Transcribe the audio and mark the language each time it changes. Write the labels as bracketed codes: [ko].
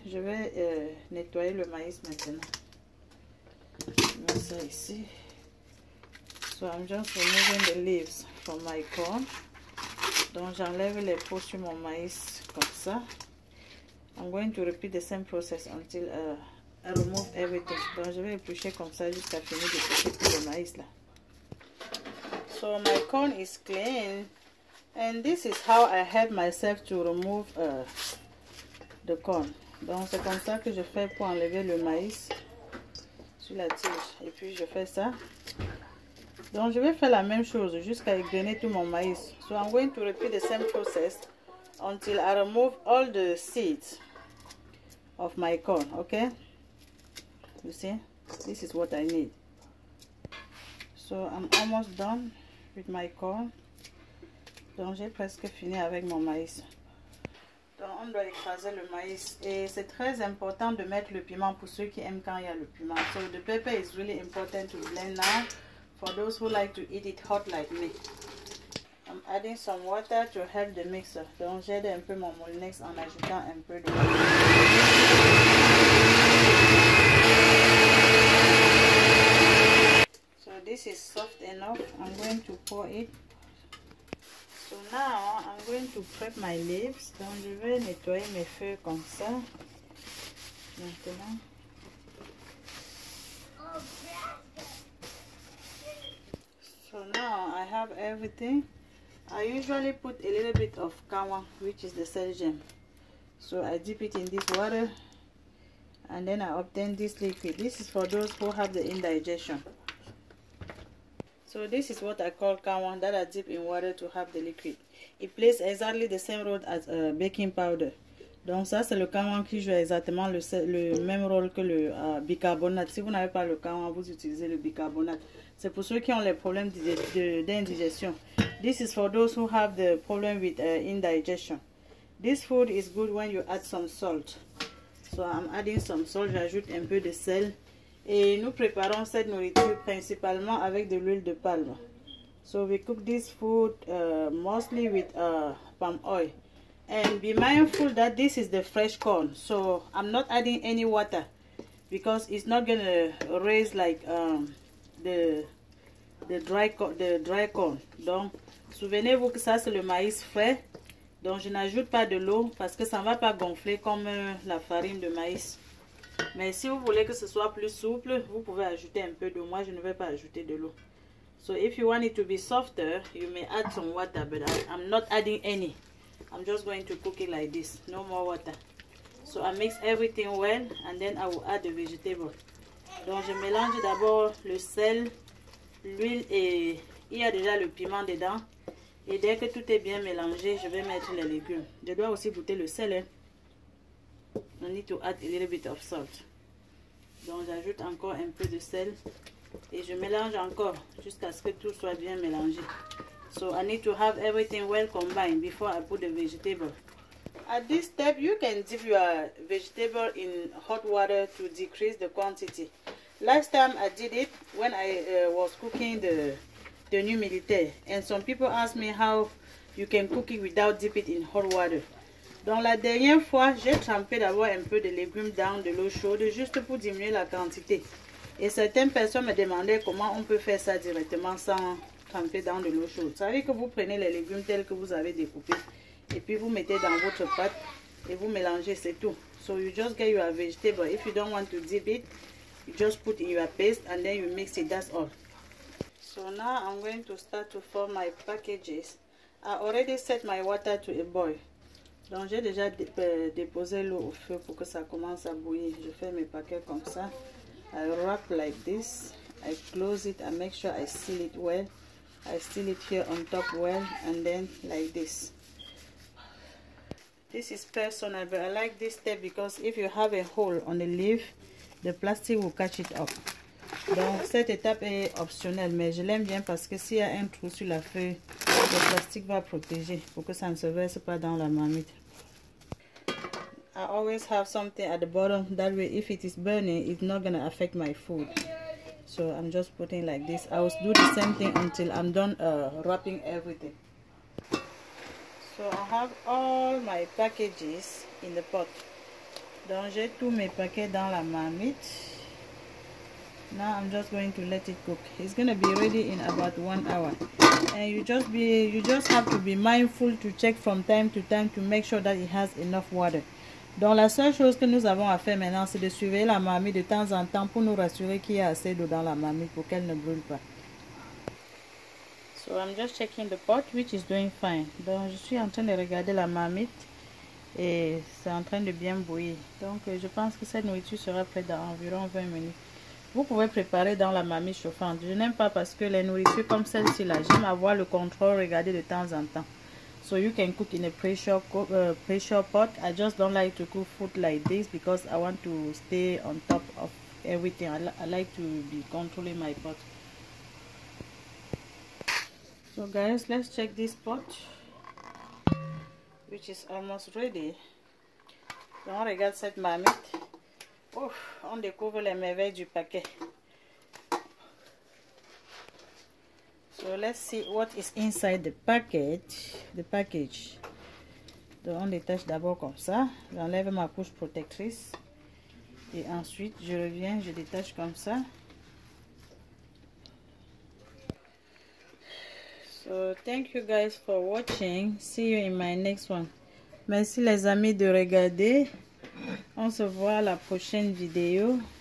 [fr] Je vais nettoyer le maïs maintenant. Je mets ça ici. [en] So I'm just removing the leaves from my corn. [fr] Donc j'enlève les peaux sur mon maïs comme ça. [en] I'm going to repeat the same process until I remove everything. [fr] Donc je vais éplucher comme ça jusqu'à finir de toucher tout le maïs là. [en] So my corn is clean. And this is how I help myself to remove the corn. [fr] Donc c'est comme ça que je fais pour enlever le maïs sur la tige. Et puis je fais ça. Donc je vais faire la même chose jusqu'à égrener tout mon maïs. [en] So I'm going to repeat the same process until I remove all the seeds of my corn. Okay? You see? This is what I need. So I'm almost done with my corn. [fr] Donc j'ai presque fini avec mon maïs. Donc on doit écraser le maïs et c'est très important de mettre le piment pour ceux qui aiment quand il y a le piment. [en] So the pepper is really important to blend now for those who like to eat it hot like me. I'm adding some water to help the mixer. [fr] Donc j'aide un peu mon moulinex en ajoutant un peu de water. [en] So this is soft enough. I'm going to pour it. So now I'm going to prep my leaves. [fr] Donc je vais nettoyer mes feuilles comme ça. Maintenant. [en] So now I have everything. I usually put a little bit of kawa, which is the sedgem. So I dip it in this water and then I obtain this liquid. This is for those who have the indigestion. So this is what I call kawa that I dip in water to have the liquid. It plays exactly the same role as baking powder. [fr] Donc ça c'est le kawa qui joue exactement le même rôle que le bicarbonate. Si vous n'avez pas le kawa, vous utilisez le bicarbonate. C'est pour ceux qui ont les problèmes d'indigestion. [en] This is for those who have the problem with indigestion. This food is good when you add some salt. So I'm adding some salt, [fr] j'ajoute un peu de sel. Et nous préparons cette nourriture principalement avec de l'huile de palme. [en] So we cook this food mostly with palm oil. And be mindful that this is the fresh corn. So I'm not adding any water because it's not gonna raise like the dry corn. [fr] Donc, souvenez-vous que ça c'est le maïs frais. Donc je n'ajoute pas de l'eau parce que ça ne va pas gonfler comme la farine de maïs. Mais si vous voulez que ce soit plus souple, vous pouvez ajouter un peu d'eau. Moi, je ne vais pas ajouter de l'eau. [en] So if you want it to be softer, you may add some water, but I'm not adding any. I'm just going to cook it like this. No more water. So I mix everything well and then I will add the vegetable. [fr] Donc je mélange d'abord le sel, l'huile et il y a déjà le piment dedans. Et dès que tout est bien mélangé, je vais mettre les légumes. Je dois aussi goûter le sel. Hein? [en] I need to add a little bit of salt. [fr] Donc j'ajoute encore un peu de sel. Et je mélange encore jusqu'à ce que tout soit bien mélangé. [en] So I need to have everything well combined before I put the vegetable. At this step, you can dip your vegetable in hot water to decrease the quantity. Last time I did it when I was cooking the tenue militaire. And some people asked me how you can cook it without dip it in hot water. [fr] Donc la dernière fois, j'ai trempé d'abord un peu de légumes dans de l'eau chaude juste pour diminuer la quantité. Et certaines personnes me demandaient comment on peut faire ça directement sans tremper dans de l'eau chaude. Vous savez que vous prenez les légumes tels que vous avez découpés et puis vous mettez dans votre pâte et vous mélangez, c'est tout. [en] So you just get your vegetable. If you don't want to dip it, you just put in your paste and then you mix it, that's all. So now I'm going to start to form my packages. I already set my water to a boil. [fr] Donc j'ai déjà déposé l'eau au feu pour que ça commence à bouillir. Je fais mes paquets comme ça. [en] I wrap like this, I close it, I make sure I seal it well, I seal it here on top well, and then like this. This is personal, but I like this step because if you have a hole on the leaf, the plastic will catch it up. [fr] Donc cette étape est optionnelle, mais je l'aime bien parce que s'il y a un trou sur la feuille, le plastique va protéger pour que ça ne se verse pas dans la marmite. [en] I always have something at the bottom, that way if it is burning, it's not gonna affect my food. So I'm just putting like this. I will do the same thing until I'm done wrapping everything. So I have all my packages in the pot. [fr] Donc j'ai tous mes paquets dans la marmite. [en] Now I'm just going to let it cook. It's gonna be ready in about 1 hour. And you just have to be mindful to check from time to time to make sure that it has enough water. [fr] Donc la seule chose que nous avons à faire maintenant, c'est de surveiller la marmite de temps en temps pour nous rassurer qu'il y a assez d'eau dans la marmite pour qu'elle ne brûle pas. [en] So I'm just checking the pot, which is doing fine. [fr] Donc je suis en train de regarder la marmite et c'est en train de bien bouillir. Donc je pense que cette nourriture sera prête dans environ 20 minutes. Vous pouvez préparer dans la marmite chauffante. Je n'aime pas parce que les nourritures comme celle-ci là, j'aime avoir le contrôle, regarder de temps en temps. [en] So you can cook in a pressure pot. I just don't like to cook food like this because I want to stay on top of everything. I like to be controlling my pot. So guys, let's check this pot, which is almost ready. [fr] Donc regarde cette marmite. Ouf, on découvre les merveilles du paquet. [en] So let's see what is inside the package. [fr] Donc on détache d'abord comme ça. J'enlève ma couche protectrice. Et ensuite je reviens, je détache comme ça. [en] So thank you guys for watching. See you in my next one. [fr] Merci les amis de regarder. On se voit à la prochaine vidéo.